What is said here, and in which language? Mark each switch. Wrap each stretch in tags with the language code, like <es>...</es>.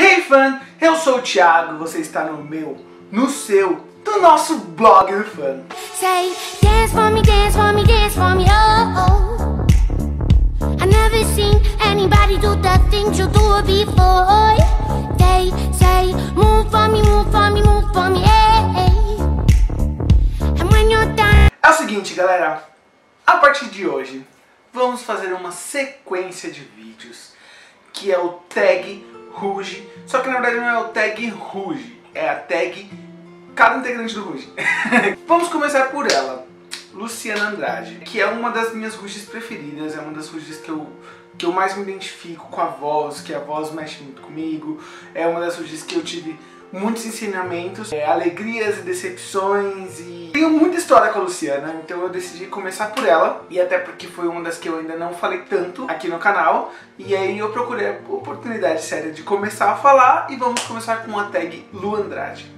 <pt>Fun, eu sou o Thiago, você está no meu, no seu, no nosso blog do Fun.</pt> <en>Say, dance for me, dance for me, dance for me, oh, oh. I've never seen anybody do the things you do before. They say, move for me, move for me, move for me, eh, eh. And when you're done...</en> <pt>É o seguinte, galera, a partir de hoje, vamos fazer uma sequência de vídeos, que é o tag Ruge, só que na verdade não é o tag Ruge, é a tag cada integrante do Ruge. Vamos começar por ela, Luciana Andrade, que é uma das minhas Ruges preferidas, é uma das Ruges que eu mais me identifico com a voz, que a voz mexe muito comigo, é uma das Ruges que eu tive muitos ensinamentos, alegrias e decepções, e tenho muita história com a Luciana, então eu decidi começar por ela, e até porque foi uma das que eu ainda não falei tanto aqui no canal, e aí eu procurei a oportunidade séria de começar a falar, e vamos começar com a tag Lu Andrade.</pt>